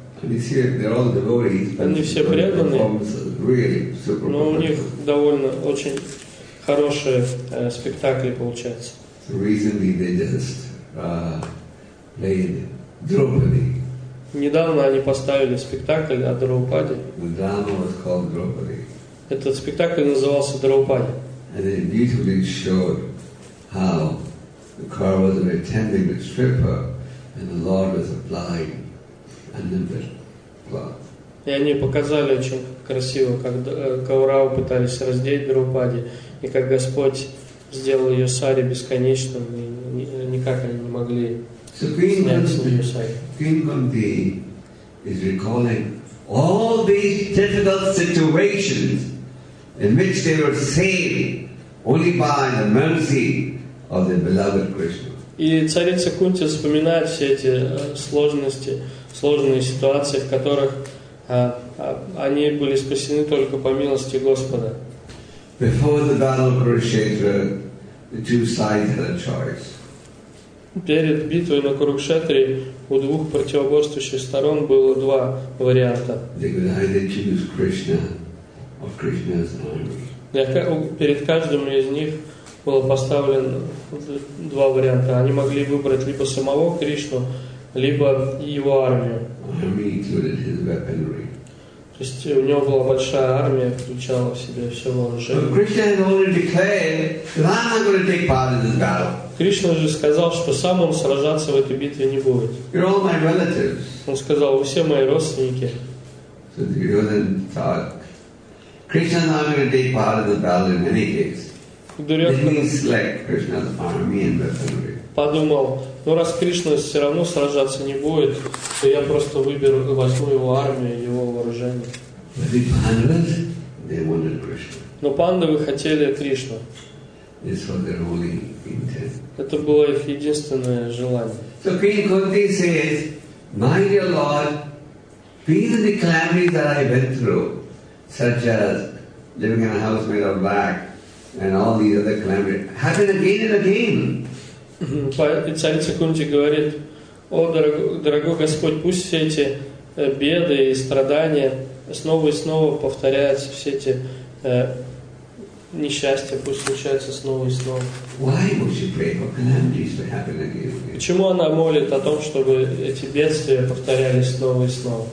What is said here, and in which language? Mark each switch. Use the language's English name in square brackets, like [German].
[Russian] Они все преданные, но у них довольно очень хорошие спектакли получаются. [English] So recently they just played Draupadi. [Russian] Недавно они поставили спектакль о Драупаде. [English] The drama was called Draupadi. [Russian] Этот спектакль назывался Драупади. [English] And it beautifully showed how the Kauravas were attempting to strip her, and the Lord was applying another cloth. [Russian] И они показали очень красиво, как Каурау пытались раздеть Драупади, и как Господь сделал ее сари бесконечным, и никак они не могли снять с нее сари. [English] Queen Kunti is recalling all these difficult situations in which they were saved only by the mercy of the beloved Krishna. [Russian] И царица Кунти вспоминает все эти сложности, сложные ситуации, в которых они были спасены только по милости Господа. [English] Before the battle of Kurukshetra, the two sides had a choice. [Russian] Перед битвой на Курукшетре у двух противоборствующих сторон было два варианта. [English] They could either choose Krishna or Krishna's army. [Russian] Перед каждым из них было поставлено два варианта. Они могли выбрать либо самого Кришну, либо его армию. [English] Army included his weaponry. [Russian] То есть у него была большая армия, включала в себя все вооружение. [English] But Krishna had already declared that I'm not going to take part in this battle. [Russian] Кришна же сказал, что сам он сражаться в этой битве не будет. [English] You're all my relatives. [Russian] Он сказал, вы все мои родственники. [English] So Duryodhana thought, Krishna is not going to take part in the battle in any case. Duryodhana didn't select Krishna's army and weaponry. [Russian] Подумал, ну раз Кришна все равно сражаться не будет, то я просто выберу и возьму его армию, его вооружение. [English] But the Pandavas, they wanted Krishna. [Russian] Но пандавы хотели Кришну. [English] This was their only intent. [Russian] Это было их единственное желание. [English] So King Kunti says, my dear Lord, these are the calamities that I went through, such as living in a house made of wax and all these other calamities, happen again and again. [Russian] И царица Кунти говорит, о, дорогой Господь, пусть все эти беды и страдания снова и снова повторяются, все эти несчастья пусть случаются снова и снова. [English] Why would she pray for calamities to happen again and again? [Russian] Почему она молит о том, чтобы эти бедствия повторялись снова и снова?